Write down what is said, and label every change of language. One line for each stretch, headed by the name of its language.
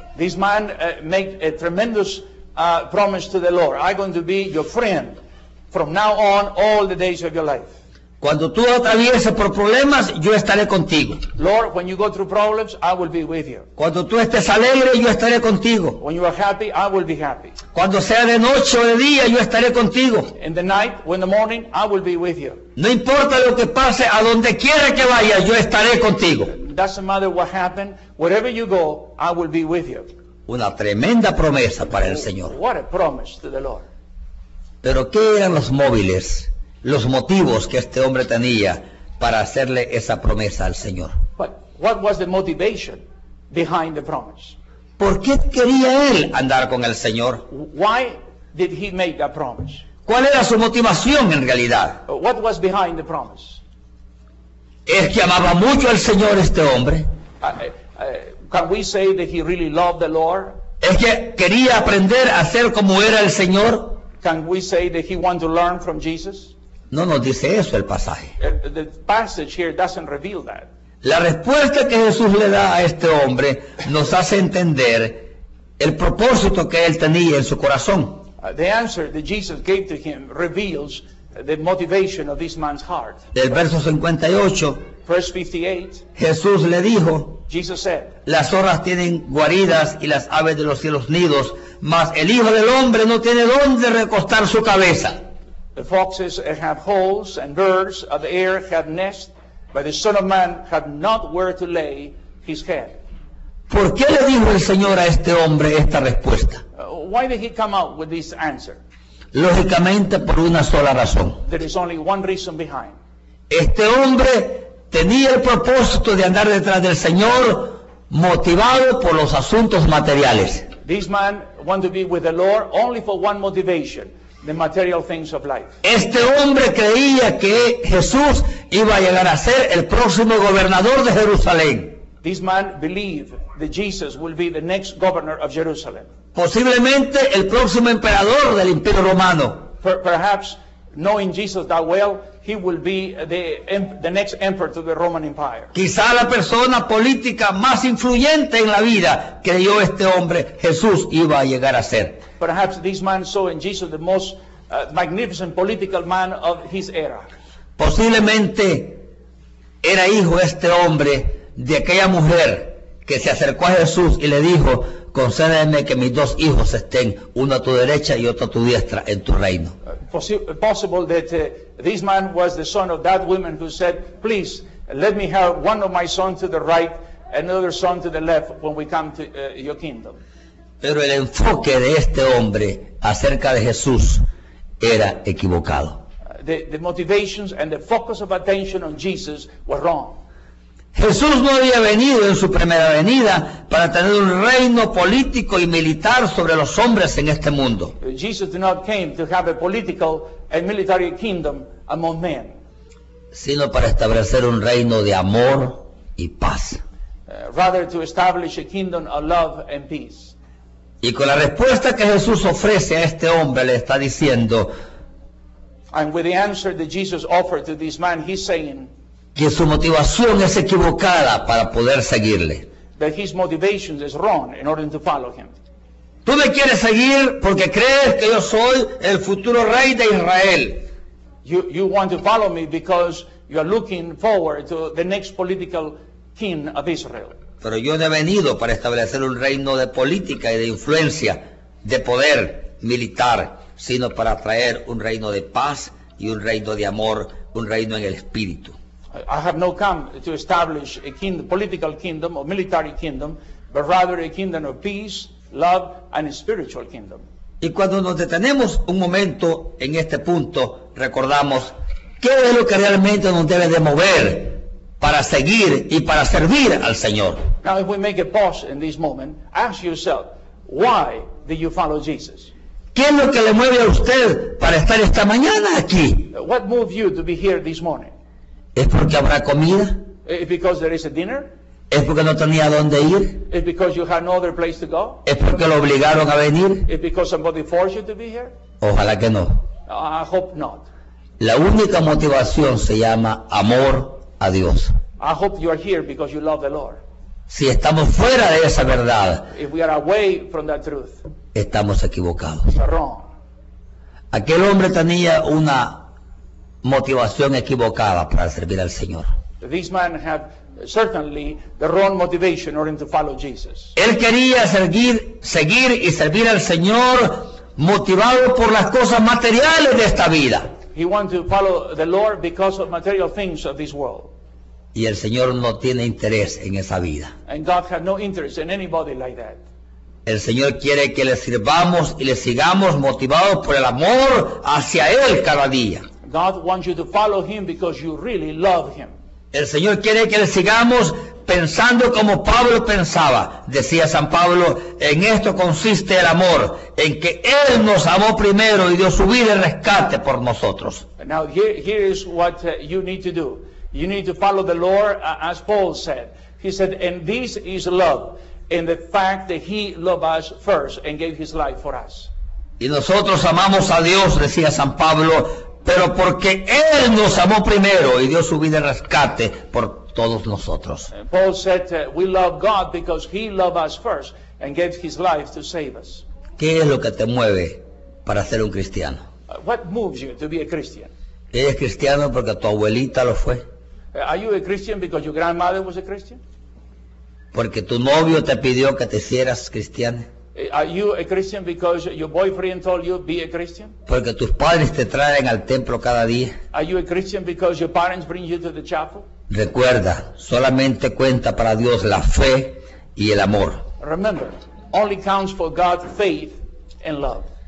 English: This man made a tremendous promise to the Lord. I'm going to be your friend from now on all the days of your life.
Spanish: Cuando tú atravieses por problemas, yo estaré contigo.
English: Lord, when you go through problems, I will be with you.
Spanish: Cuando tú estés alegre, yo estaré contigo.
English: When you are happy, I will be happy.
Spanish: Cuando sea de noche o de día, yo estaré contigo.
English: In the night, when the morning, I will be with you.
Spanish: No importa lo que pase, a donde quiera que vaya, yo estaré contigo.
English: Doesn't matter what happened, wherever you go, I will be with you.
Spanish: Una tremenda promesa para el Señor.
English: What a promise to the Lord.
Spanish: Pero ¿qué eran los móviles? Los motivos que este hombre tenía para hacerle esa promesa al Señor.
English: But what was the motivation behind the promise?
Spanish: ¿Por qué quería él andar con el Señor?
English: Why did he make that promise?
Spanish: ¿Cuál era su motivación en realidad?
English: What was behind the promise?
Spanish: ¿Es que amaba mucho al Señor este hombre?
English: Can we say that he really loved the Lord?
Spanish: ¿Es que quería aprender a ser como era el Señor?
English: Can we say that he wanted to learn from Jesus?
Spanish: No nos dice eso el pasaje.
English: The passage here doesn't reveal that.
Spanish: La respuesta que Jesús le da a este hombre nos hace entender el propósito que él tenía en su corazón.
English: The answer that Jesus gave to him reveals the motivation of this man's heart.
Spanish: Del verso 58,
English: verse 58,
Spanish: Jesús le dijo,
English: Jesus said,
Spanish: las zorras tienen guaridas y las aves de los cielos nidos, mas el Hijo del Hombre no tiene dónde recostar su cabeza.
English: The foxes have holes and birds of the air have nests, but the Son of Man had not where to lay his head.
Spanish: ¿Por qué le dijo el Señor a este hombre esta respuesta?
English: Why did he come out with this answer?
Spanish: Lógicamente por una sola razón.
English: There is only one reason behind.
Spanish: Este hombre tenía el propósito de andar detrás del Señor motivado por los asuntos materiales.
English: This man wanted to be with the Lord only for one motivation. The material things of life.
Spanish: Este hombre creía que Jesús iba a llegar a ser el próximo gobernador de Jerusalén.
English: This man believed that Jesus will be the next governor of Jerusalem.
Spanish: Posiblemente el próximo emperador del Imperio Romano.
English: Perhaps knowing Jesus that well, he will be the next emperor to the Roman Empire.
Spanish: Quizá la persona política más influyente en la vida creyó este hombre Jesús iba a llegar a ser.
English: Perhaps this man saw in Jesus the most magnificent political man of his era.
Spanish: Posiblemente era hijo este hombre de aquella mujer que se acercó a Jesús y le dijo, concédeme que mis dos hijos estén, uno a tu derecha y otro a tu diestra en tu reino.
English: Possible that this man was the son of that woman who said, please, let me have one of my sons to the right and another son to the left when we come to your kingdom.
Spanish: Pero el enfoque de este hombre acerca de Jesús era equivocado.
English: The motivations and the focus of attention on Jesus were wrong.
Spanish: Jesús no había venido en su primera venida para tener un reino político y militar sobre los hombres en este mundo.
English: Jesus did not came to have a political and military kingdom among men.
Spanish: Sino para establecer un reino de amor y paz.
English: Rather to establish a kingdom of love and peace.
Spanish: Y con la respuesta que Jesús ofrece a este hombre le está diciendo,
English: and with the answer that Jesus offered to this man, he's saying,
Spanish: que su motivación es equivocada para poder seguirle.
English: That his motivation is wrong in order to follow him.
Spanish: Tú me quieres seguir porque crees que yo soy el futuro rey de Israel.
English: You want to follow me because you are looking forward to the next political king of Israel.
Spanish: Pero yo no he venido para establecer un reino de política y de influencia, de poder militar, sino para traer un reino de paz y un reino de amor, un reino en el espíritu.
English: I have no come to establish a kingdom, political kingdom or military kingdom, but rather a kingdom of peace, love and a spiritual kingdom.
Spanish: Y cuando nos detenemos un momento en este punto, recordamos qué es lo que realmente nos debe de mover para seguir y para servir al Señor.
English: Now if we make a pause in this moment, ask yourself, why do you follow Jesus?
Spanish: ¿Qué es lo que le mueve a usted para estar esta mañana aquí?
English: What moved you to be here this morning?
Spanish: ¿Es porque habrá comida?
English: Is because there is a dinner?
Spanish: ¿Es porque no tenía dónde ir?
English: Is because you had no other place to go?
Spanish: ¿Es porque lo obligaron a venir?
English: Is because somebody forced you to be here?
Spanish: Ojalá que no.
English: I hope not.
Spanish: La única motivación se llama amor a Dios.
English: I hope you are here because you love the Lord.
Spanish: Si estamos fuera de esa verdad,
English: if we are away from that truth,
Spanish: estamos equivocados.
English: Wrong.
Spanish: Aquel hombre tenía una motivación equivocada para servir al Señor.
English: This man had certainly the wrong motivation in order to follow Jesus.
Spanish: Él quería seguir y servir al Señor motivado por las cosas materiales de esta vida.
English: He wanted to follow the Lord because of material things of this world.
Spanish: Y el Señor no tiene interés en esa vida.
English: And God had no interest in anybody like that.
Spanish: El Señor quiere que le sirvamos y le sigamos motivados por el amor hacia Él cada día.
English: God wants you to follow Him because you really love Him.
Spanish: El Señor quiere que le sigamos pensando como Pablo pensaba. Decía San Pablo, en esto consiste el amor, en que Él nos amó primero y dio su vida en rescate por nosotros.
English: Now here is what you need to do. You need to follow the Lord as Paul said. He said, and this is love, in the fact that He loved us first and gave His life for us.
Spanish: Y nosotros amamos a Dios, decía San Pablo, pero porque Él nos amó primero y dio su vida en rescate por todos nosotros.
English: Paul said, we love God because He loved us first and gave His life to save us.
Spanish: ¿Qué es lo que te mueve para ser un cristiano?
English: What moves you to be a Christian?
Spanish: ¿Eres cristiano porque tu abuelita lo fue?
English: Are you a Christian because your grandmother was a Christian?
Spanish: ¿Porque tu novio te pidió que te hicieras cristiano?
English: Are you a Christian because your boyfriend told you be a Christian?
Spanish: Porque tus padres te traen al templo cada día.
English: Are you a Christian because your parents bring you to the chapel?
Spanish: Recuerda, solamente cuenta para Dios la fe y el amor.
English: Remember, only counts for God faith and love.